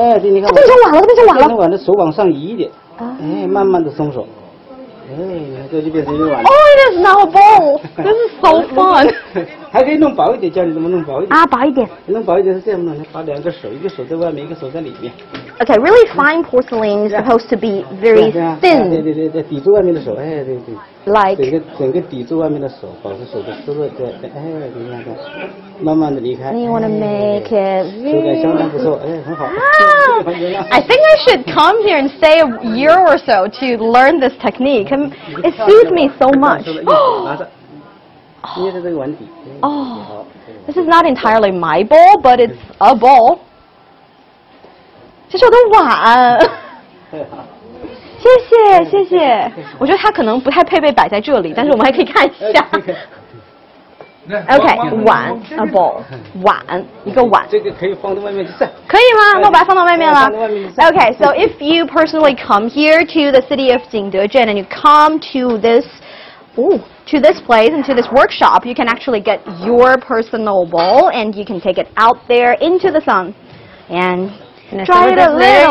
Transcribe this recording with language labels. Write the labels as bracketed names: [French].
[Chinese] 哎，对，你看。它变成碗了，它变成碗了。那碗的手往上移一点。啊。哎，慢慢的松手。哎，这就变成一个碗了。 [English] Oh, it is now a bowl. This is so fun. [Chinese] 还可以弄薄一点，教你怎么弄薄一点。啊，薄一点。弄薄一点是这样弄的，把两个手，一个手在外面，一个手在里面。 [English] Okay, really fine porcelain is supposed to be very thin. [Chinese] 对对对对，抵住外面的手，哎，对对。 [English] Like [Chinese] 整个抵住外面的手，保持手的湿润，对，哎，你看看，慢慢的离开。 [English] And you want to make it really [Chinese] 手感相当不错，哎，很好。 [English] Ah, I think I should come here and stay a year or so to learn this technique. It suits me so much. Oh, this is not entirely my bowl, but it's a bowl. [Chinese] 这是我的碗，谢谢谢谢。我觉得它可能不太配备摆在这里，但是我们还可以看一下。 OK， 碗 ， [English] a bowl， [Chinese] 碗，一个碗。这个可以放到外面去晒。可以吗？那我把它放到外面了。放到外面去晒。 [English] Okay, so if you personally come here to the city of Jingdezhen and you come to this, to this place and to this workshop, you can actually get your personal bowl and you can take it out there into the sun, and. Try it a little.